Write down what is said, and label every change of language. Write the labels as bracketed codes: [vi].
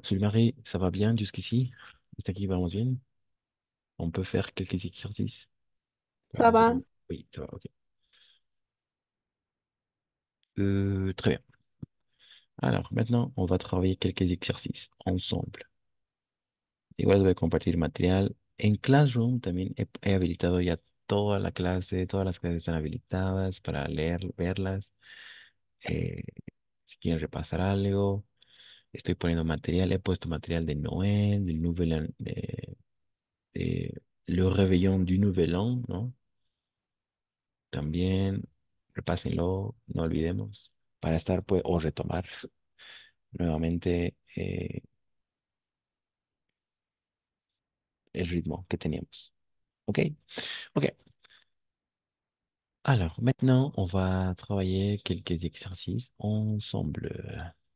[fr] Sulmarie, ça va bien jusqu'ici? Jusqu'à qui [es] vamos bien? [fr] On peut faire quelques exercices? Ça va? Oui, ça va, ok. Très bien. Alors, maintenant, on va travailler quelques exercices ensemble. [es] Igual voy a compartir material. En Classroom también he habilitado ya toda la clase, todas las clases están habilitadas para leer, verlas. Si quieren repasar algo, estoy poniendo material. He puesto material de Noel, del Nouvel An, de Le Réveillon du Nouvel An, ¿no? También, repásenlo, no olvidemos, para estar, pues, o retomar nuevamente el ritmo que teníamos. ¿Ok? Ok. [fr] Alors, maintenant, on va travailler quelques exercices ensemble.